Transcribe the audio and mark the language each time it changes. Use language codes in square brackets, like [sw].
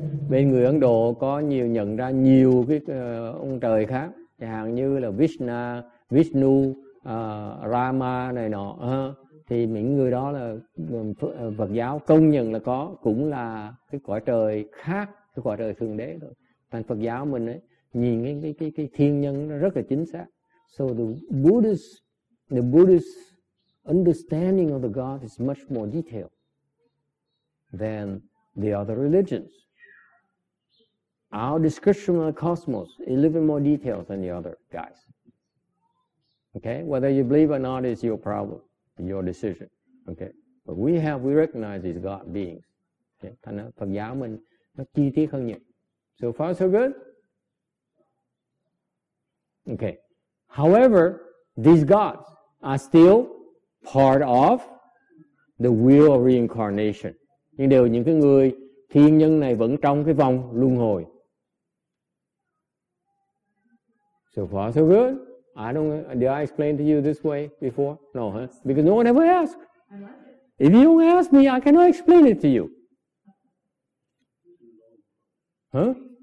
[vi] Bên người Ấn Độ có nhiều nhận ra nhiều cái ông trời khác, chẳng hạn như là Vishnu, Rama này nọ, thì những người đó là Phật giáo công nhận là có, cũng là cái cõi trời khác, cái cõi trời thượng đế thôi. Thành Phật giáo mình ấy nhìn cái thiên nhân nó rất là chính xác. [en] So the Buddhist understanding of the God is much more detailed than the other religions. Our description of the cosmos is a little bit more detailed than the other guys. Okay, whether you believe or not is your problem, your decision. Okay, but we recognize these God beings. [vi] Okay, thành Phật giáo mình nó chi tiết hơn nhiều. [en] So far, so good. Okay. However, these gods are still part of the wheel of reincarnation. [vi] Nhưng đều những cái người thiên nhân này vẫn trong cái vòng luân hồi. [en] So far, so good. Did I explain to you this way before? No, huh? Because no one ever asked. If you don't ask me, I cannot explain it to you. Huh?